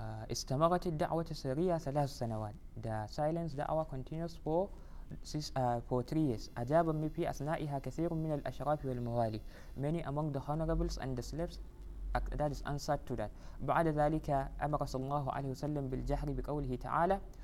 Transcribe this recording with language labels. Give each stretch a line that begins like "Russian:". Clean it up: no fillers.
Arabic: استمرت الدعوة السرية ثلاث سنوات.
English: The silence da'wah continues for 3 years.
Arabic: أجاب من في أثنائها كثير من الأشراف والموالي.
English: Many among the honorables and the slaves that is answered to that.
Arabic: بعد ذلك أمر صلى الله عليه وسلم بالجهر بقوله تعالى.